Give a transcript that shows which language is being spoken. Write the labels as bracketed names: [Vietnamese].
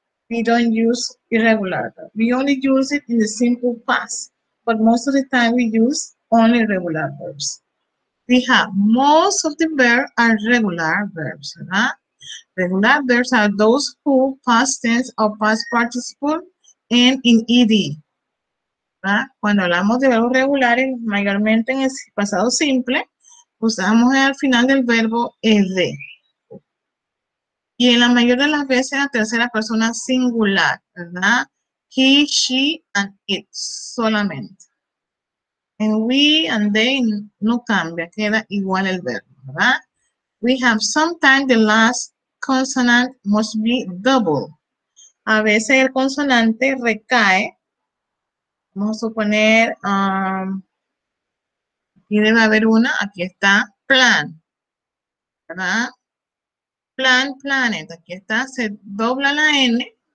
[English] We don't use irregular. We only use it in the simple past. But most of the time, we use only regular verbs. We have most of the verbs are regular verbs. Right? Regular verbs are those who past tense or past participle end in ed. [Spanish] ¿Verdad? Cuando hablamos de verbos regulares, mayormente en el pasado simple, usamos al final del verbo ed. Y en la mayoría de las veces, la tercera persona singular, ¿verdad? [English] He, she, and it [Spanish] solamente. [English] And we and they [Spanish] no cambia, queda igual el verbo, ¿verdad? [English] We have sometimes the last consonant must be double. [Spanish] A veces el consonante recae. Vamos a suponer, aquí debe haber una, aquí está, plan. ¿Verdad? Plan, planet, aquí está, se dobla la N.